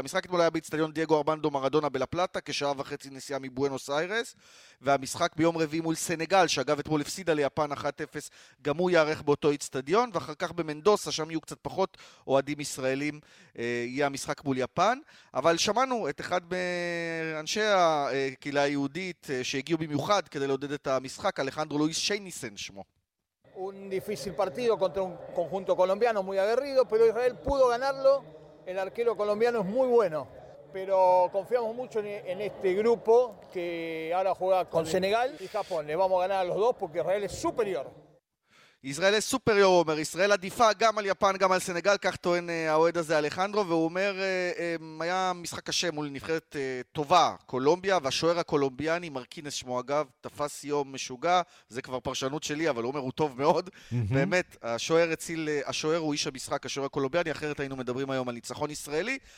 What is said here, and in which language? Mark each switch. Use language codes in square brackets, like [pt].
[he] המשחק אתמול היה באצטדיון דייגו ארמנדו מרדונה בלפלטה, כשעה וחצי נסיעה מבואנוס איירס, והמשחק ביום רביעי מול סנגל, שאגב אתמול הפסידה ליפן 1-0, גם הוא יערך באותו אצטדיון, ואחר כך במנדוסה, שם יהיו קצת פחות אוהדים ישראלים, יהיה המשחק מול יפן. אבל שמענו את אחד מאנשי הקהילה היהודית שהגיעו במיוחד כדי לעודד את המשחק, אלחנדרו לואיס שייניסן שמו. [es] Un difícil partido contra un conjunto colombiano muy aguerrido, pero Israel pudo ganarlo. El arquero colombiano es muy bueno, pero confiamos mucho en este grupo que ahora juega con Senegal y Japón. Le vamos a ganar a los dos porque Israel es superior. [he] ישראל היא סופריור, אומר, ישראל עדיפה גם על יפן, גם על סנגל, כך טוען האוהד הזה אלחנדרו, והוא אומר, היה משחק קשה מול נבחרת טובה, קולומביה, והשוער הקולומביאני, מרקינס שמו אגב, תפס יום משוגע, זה כבר פרשנות שלי, אבל הוא אומר, הוא טוב מאוד, באמת, השוער הציל, השוער הוא איש המשחק, השוער הקולומביאני, אחרת היינו מדברים היום על ניצחון ישראלי,